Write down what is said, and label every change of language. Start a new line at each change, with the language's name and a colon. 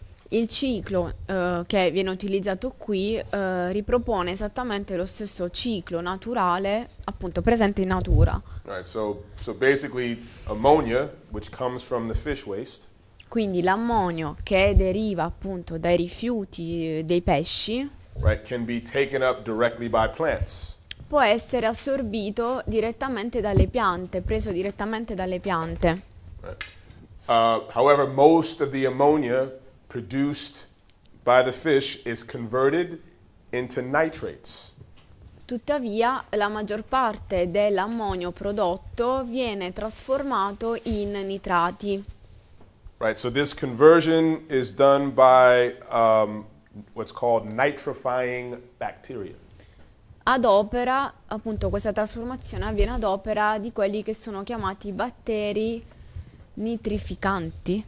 Italian: Il ciclo che viene utilizzato qui ripropone esattamente lo stesso ciclo naturale appunto presente in natura.
English: Right, so basically ammonia, which comes from the fish waste.
Italian: Quindi l'ammonio, che deriva appunto dai rifiuti dei pesci,
English: right, can be taken up directly by plants.
Italian: Può essere assorbito direttamente dalle piante, preso direttamente dalle piante.
English: Right. However, most of the ammonia produced by the fish is converted into nitrates.
Italian: Tuttavia, la maggior parte dell'ammonio prodotto viene trasformato in nitrati.
English: Right, so this conversion is done by what's called nitrifying bacteria.
Italian: ad opera, appunto, questa trasformazione avviene ad opera di quelli che sono chiamati batteri nitrificanti.